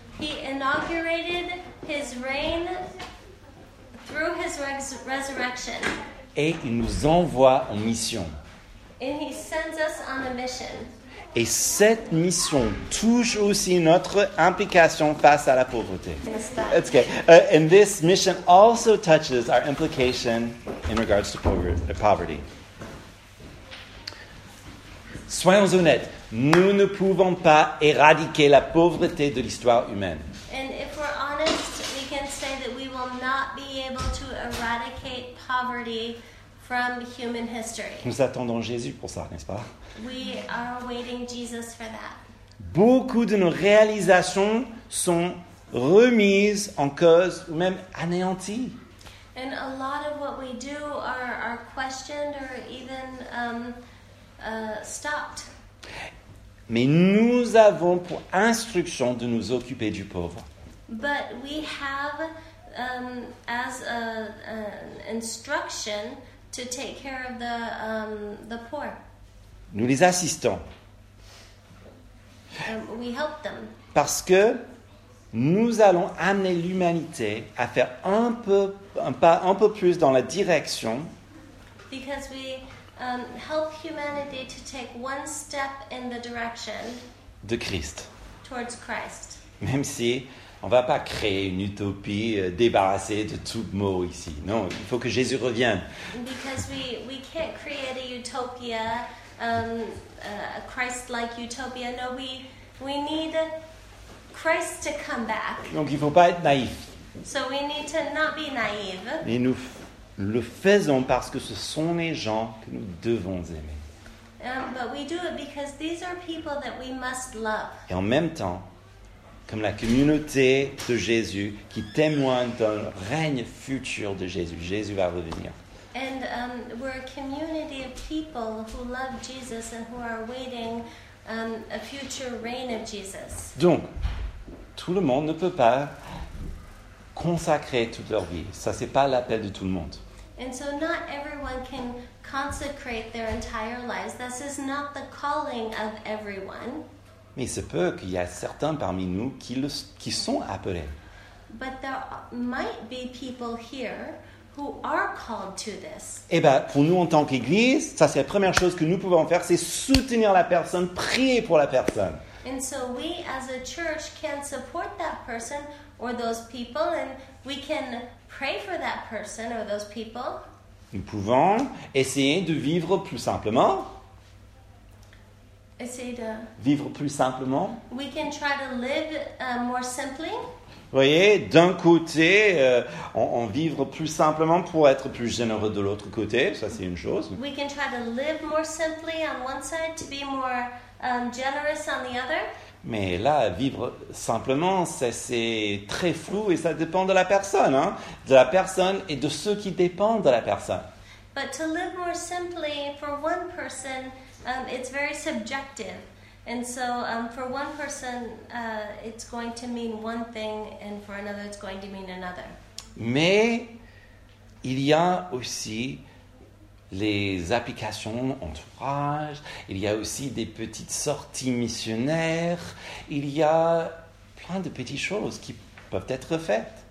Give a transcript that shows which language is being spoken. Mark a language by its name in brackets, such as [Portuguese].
[English] He inaugurated his reign through his resurrection. [French] Et il nous envoie en mission. [English] And he sends us on a mission. [French] Et cette mission touche aussi notre implication face à la pauvreté. [English] That's okay. And this mission also touches our implication in regards to poverty. [French] Soyons honnêtes, nous ne pouvons pas éradiquer la pauvreté de l'histoire humaine. [English] And if we're honest, we can say that we will not be able to eradicate poverty from human history. [French] Nous attendons Jésus pour ça, n'est-ce pas? [English] We are awaiting Jesus for that. [French] Beaucoup de nos réalisations sont remises en cause ou même anéanties. [English] And a lot of what we do are questioned or even stopped. [French] Mais nous avons pour instruction de nous occuper du pauvre. [English] But we have as an instruction to take care of the poor. [French] Nous les assistons. [English] We help them. [French] Parce que nous allons amener l'humanité à faire un pas plus dans la direction. [English] Because we help humanity to take one step in the direction [French] de Christ. [English] Towards Christ. [French] Même si on ne va pas créer une utopie débarrassée de tout mot ici. Non, il faut que Jésus revienne. [English] Because we can't create a utopia, a Christ-like utopia. No, we need Christ to come back. [French] Donc il ne faut pas être naïf. [English] So we need to not be naive. [French] Et nous le faisons parce que ce sont les gens que nous devons aimer. [English] But we do it because these are people that we must love. [French] Et en même temps, comme la communauté de Jésus qui témoigne d'un règne futur de Jésus. Jésus va revenir. [English] And we're a community of people who love Jesus and who are awaiting a future reign of Jesus. [French] Donc, tout le monde ne peut pas consacrer toute leur vie. Ça, c'est pas l'appel de tout le monde. [English] And so not everyone can consecrate their entire lives. This is not the calling of everyone. [French] Mais il se peut qu'il y a certains parmi nous qui sont appelés. [English] But there might be people here who are called to this. [French] Eh bien, pour nous en tant qu'Église, ça c'est la première chose que nous pouvons faire, c'est soutenir la personne, prier pour la personne. [English] And so we as a church can support that person or those people and we can pray for that person or those people. [French] Nous pouvons essayer de vivre plus simplement. Vivre plus simplement. [English] We can try to live more simply. [French] Vous voyez, d'un côté, on vivre plus simplement pour être plus généreux de l'autre côté, ça c'est une chose. [English] We can try to live more simply on one side to be more generous on the other. [French] Mais là, vivre simplement, c'est très flou et ça dépend de la personne, hein, de la personne et de ceux qui dépendent de la personne. [English] But to live more simply for one person, it's very subjective. And so for one person, it's going to mean one thing, and for another, it's going to mean another. [French] Mais il y a aussi les applications entourage, il y a aussi des petites sorties missionnaires, il y a plein de petites choses qui peuvent être faites.